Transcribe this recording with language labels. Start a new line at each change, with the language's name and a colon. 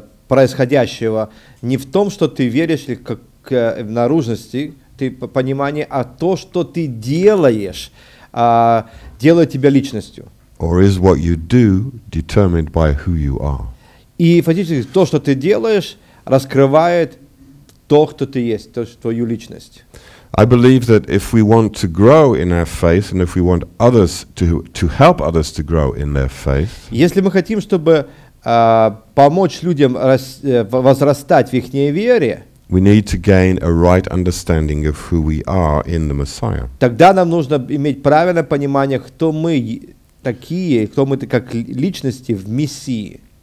Russian: происходящего не в том, что ты веришь или как в наружности, ты понимание, а то, что ты делаешь, делает тебя личностью.
English: Or is what you do determined by who you are?
Russian: И фактически то, что ты делаешь, раскрывает то, кто ты есть, то, твою личность.
English: I believe that if we want to grow in our faith and if we want others to help others to grow in their faith.
Russian: Если мы хотим, чтобы помочь людям возрастать в их вере,
English: we need to gain a right understanding of who we are in the Messiah.
Russian: Тогда нам нужно иметь правильное понимание, кто мы такие, кто мы как личности в Мессии.